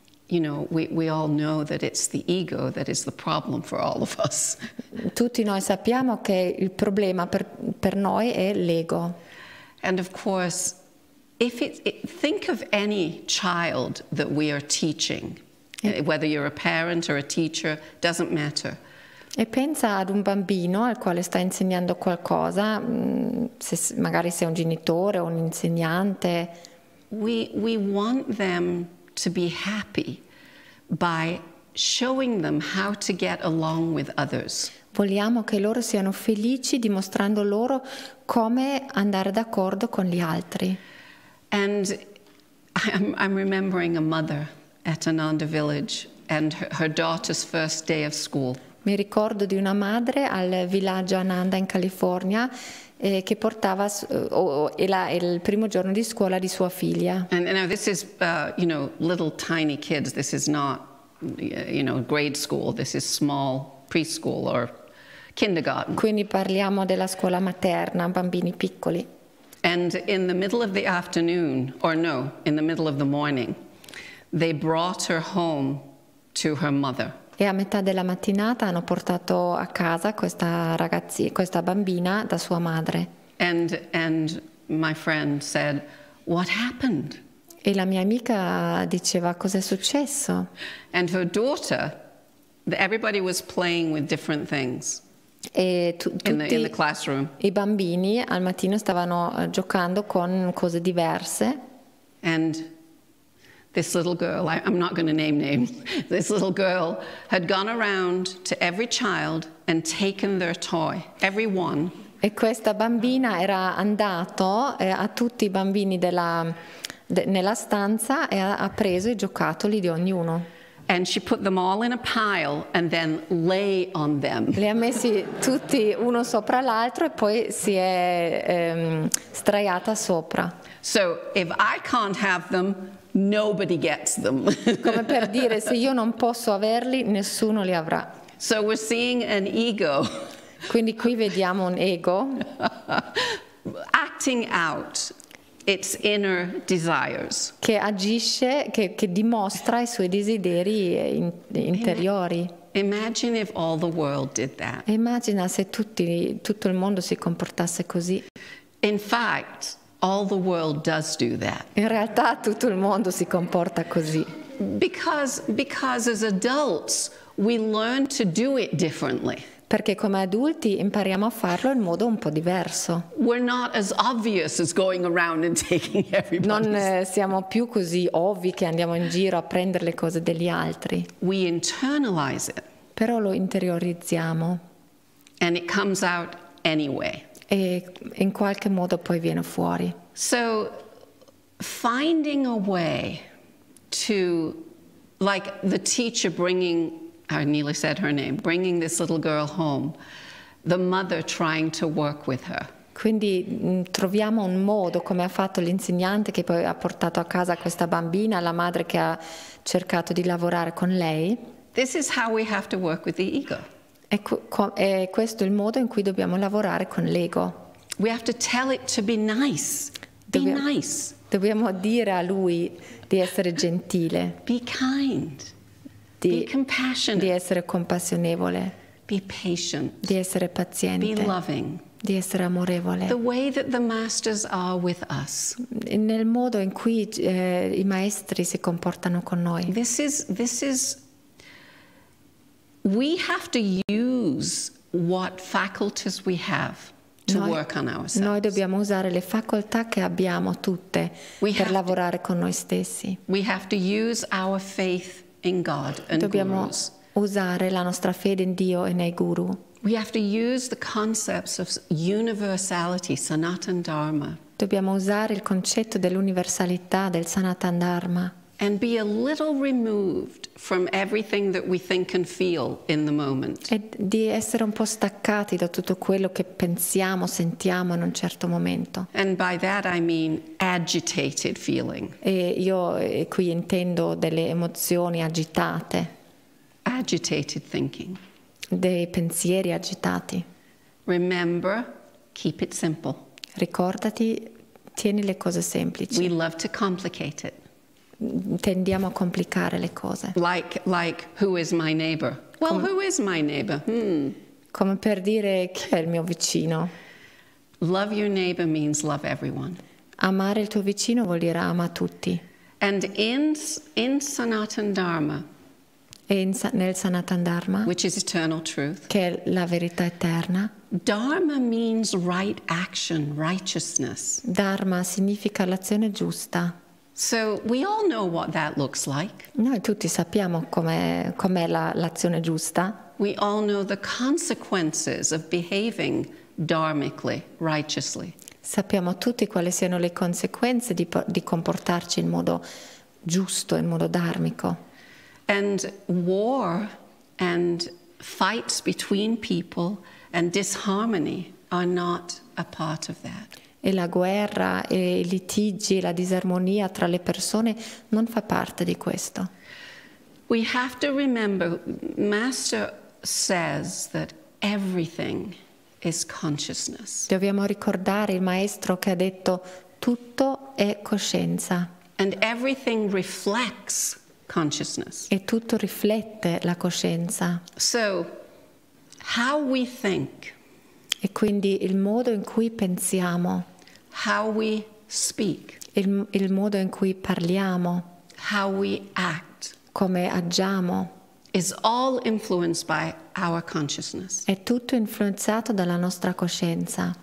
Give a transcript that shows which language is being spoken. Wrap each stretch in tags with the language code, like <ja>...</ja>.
<en>We all know that it's the ego that is the problem for all of us.</en> <it>Tutti noi sappiamo che il problema per noi è l'ego.</it> <en>And of course, think of any child that we are teaching, whether you're a parent or a teacher, doesn't matter.</en> <it>E pensa ad un bambino al quale sta insegnando qualcosa, magari sei un genitore o un insegnante.</it> <en>We want them to be happy by showing them how to get along with others.</en> <it>Vogliamo che loro siano felici dimostrando loro come andare d'accordo con gli altri.</it> <en>And I'm remembering a mother at Ananda Village and her daughter's first day of school.</en> <it>Mi ricordo di una madre al villaggio Ananda in California che portava il primo giorno di scuola di sua figlia.</it> <en>And now this is, you know, little tiny kids. This is not, you know, grade school. This is small preschool or kindergarten.</en> <it>Quindi parliamo della scuola materna, bambini piccoli.</it> <en>And in the middle of the afternoon, or no, in the middle of the morning, they brought her home to her mother.</en> <it>E a metà della mattinata hanno portato a casa questa ragazzina, questa bambina, da sua madre.</it> <en>And my friend said, "What happened?"</en> <it>E la mia amica diceva, "Cos'è successo?"</it> <en>And her daughter, everybody was playing with different things.</en> <it>E tutti i bambini al mattino stavano giocando con cose diverse.</it> <en>And this little girl, I'm not going to name names, this little girl had gone around to every child and taken their toy, every one.</en> <it>E questa bambina era andato a tutti i bambini nella stanza e ha preso i giocattoli di ognuno.</it> <en>And she put them all in a pile and then lay on them.</en> <it>Li ha messi tutti uno sopra l'altro e poi si è sdraiata sopra.</it> <en>So if I can't have them, nobody gets them.</en> <it>Come per dire, se io non posso averli, nessuno li avrà.</it> <en>So we're seeing an ego.</en> <it>Quindi qui vediamo un ego.</it> <en>Acting out its inner desires.</en> <it>Che agisce, che dimostra i suoi desideri interiori.</it> <en>Imagine if all the world did that.</en> <it>Immagina se tutto il mondo si comportasse così.</it> <en>In fact, all the world does do that.</en> <it>In realtà tutto il mondo si comporta così.</it> <en>Because as adults we learn to do it differently.</en> <it>Perché come adulti impariamo a farlo in modo un po' diverso.</it> <en>We're not as obvious as going around and taking everybody's.</en> <it>Non siamo più così ovvi che andiamo in giro a prendere le cose degli altri.</it> <en>We internalize it.</en> <it>Però lo interiorizziamo.</it> <en>And it comes out anyway.</en> <it>E in qualche modo poi viene fuori.</it> <en>So finding a way to, like the teacher bringing, Neela said her name, bringing this little girl home, the mother trying to work with her.</en> <it>Quindi troviamo un modo, come ha fatto l'insegnante che poi ha portato a casa questa bambina, la madre che ha cercato di lavorare con lei.</it> <en>This is how we have to work with the ego.</en> <it>È questo il modo in cui dobbiamo lavorare con l'ego.</it> <en>We have to tell it to be nice. Be nice.</en> <it>Dobbiamo dire a lui di essere gentile.</it> <en>Be kind.</en> <it>Di,</it> <en>be compassionate.</en> <it>Di essere compassionevole.</it> <en>Be patient.</en> <it>Di essere paziente.</it> <en>Be loving.</en> <it>Di essere amorevole.</it> <en>The way that the masters are with us.</en> <it>Nel modo in cui i maestri si comportano con noi.</it> <en>This is we have to use what faculties we have to work on ourselves.</en> <it>Noi dobbiamo usare le facoltà che abbiamo tutte per lavorare con noi stessi.</it> <en>We have to use our faith in God and</en> <it>dobbiamo</it> <en>gurus.</en> <it>Usare la nostra fede in Dio e nei guru.</it> <en>We have to use the concepts of universality, Sanatana Dharma.</en> <it>Dobbiamo usare il concetto dell'universalità del Sanatana Dharma.</it> <en>And be a little removed from everything that we think and feel in the moment.</en> <it>E di essere un po' staccati da tutto quello che pensiamo, sentiamo in un certo momento.</it> <en>And by that I mean agitated feeling.</en> <it>E io qui intendo delle emozioni agitate.</it> <en>Agitated thinking.</en> <it>Dei pensieri agitati.</it> <en>Remember, keep it simple.</en> <it>Ricordati, tieni le cose semplici.</it> <en>We love to complicate it.</en> <it>Tendiamo a complicare le cose.</it> <en>Like who is my neighbor? Well, who is my neighbor?</en> <it>Come per dire chi è il mio vicino.</it> <en>Love your neighbor means love everyone.</en> <it>Amare il tuo vicino vuol dire ama tutti.</it> <en>And in Sanatana Dharma.</en> <it>E nel Sanatana Dharma.</it> <en>Which is eternal truth.</en> <it>Che è la verità eterna.</it> <en>Dharma means right action, righteousness.</en> <it>Dharma significa l'azione giusta.</it> <en>So we all know what that looks like.</en> <it>Noi tutti sappiamo com'è l'azione giusta.</it> <en>We all know the consequences of behaving dharmically, righteously.</en> <it>Sappiamo tutti quali siano le conseguenze di comportarci in modo giusto, in modo dharmico.</it> <en>And war and fights between people and disharmony are not a part of that.</en> <it>E la guerra e i litigi, la disarmonia tra le persone non fa parte di questo.</it> <en>We have to remember, Master says that everything is consciousness.</en> <it>Dobbiamo ricordare il maestro che ha detto tutto è coscienza.</it> <en>And everything reflects consciousness.</en> <it>E tutto riflette la coscienza.</it> <en>So, how we think.</en> <it>E quindi il modo in cui pensiamo.</it> <en>How we speak.</en> <it>Il modo in cui parliamo.</it> <en>How we act.</en> <it>Come agiamo.</it> <en>Is all influenced by our consciousness.</en> <it>È tutto influenzato dalla nostra coscienza.</it>